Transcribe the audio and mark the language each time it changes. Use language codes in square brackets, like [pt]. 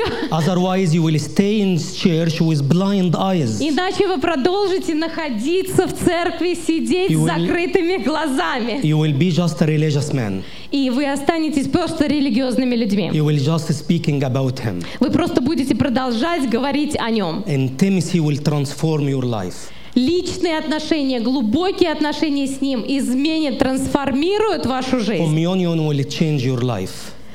[en] Otherwise, you will stay in church with blind eyes. [ru] Иначе вы продолжите находиться в церкви, сидеть с закрытыми глазами. [en] You will be just a religious man. [ru] И вы останетесь просто религиозными людьми. [en] You will just speaking about him. [ru] Вы просто будете продолжать говорить о нем. [en] Intimacy will transform your life. [ru] Личные отношения, глубокие отношения с ним изменят, трансформируют вашу жизнь. [en] Communion will change your life.